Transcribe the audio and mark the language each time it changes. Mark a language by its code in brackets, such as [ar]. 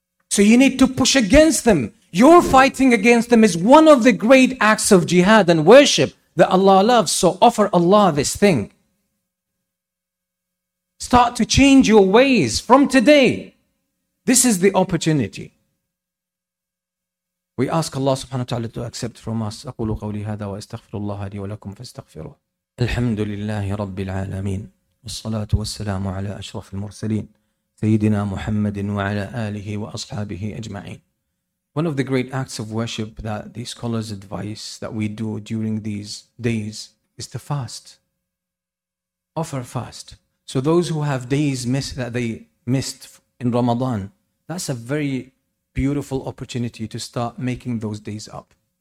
[en] So you need to push against them. Your fighting against them is one of the great acts of jihad and worship that Allah loves. So offer Allah this thing. Start to change your ways from today. This is the opportunity. We ask Allah subhanahu wa ta'ala to accept from us. [ar] أقول قولي هذا وأستغفر الله لي ولكم فاستغفروه. الحمد لله رب العالمين والصلاة والسلام على أشرف المرسلين سيدنا محمد وعلى آله وأصحابه أجمعين. [en] One of the great acts of worship that the scholars advise that we do during these days is to fast. Offer fast. So those who have days that they missed in Ramadan, that's a very beautiful opportunity to start making those days up.